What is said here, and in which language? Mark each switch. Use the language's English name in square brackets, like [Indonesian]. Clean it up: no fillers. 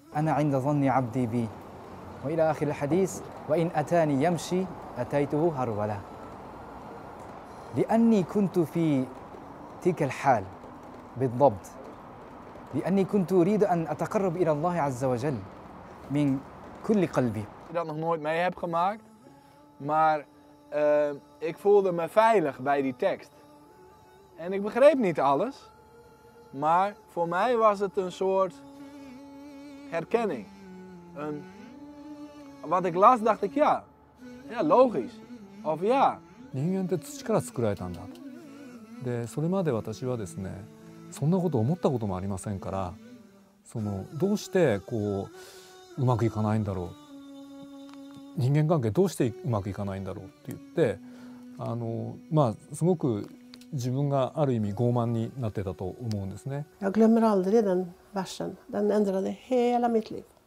[Arabic] أنا عند ظن عبدي بي، وإلى آخر الحديث: وإن أتاني يمشي أتيته هرولة. لأني كنت في تلك الحال بالضبط، لأني كنت أريد أن أتقرب إلى الله عز وجل من كل قلبي. [Dutch] Dat nog nooit mee heb gemaakt, maar ik voelde me veilig bij die tekst. En ik begreep niet alles, maar voor mij was het een soort herkenning. Wat ik las, dacht ik ja. Ja, logisch. Of ja. [Japanese] 人間って土から作られたんだ。で、 それまで私はですね、 そんなこと思ったこともありませんから、そのどうしてこううまくいかないんだろう、人間関係どうしてうまくいかないんだろうって言って、すごく自分がある意味傲慢になってたと思うんですね。 [Swedish] Jag glömmer aldrig den versen. Den ändrade hela mitt liv.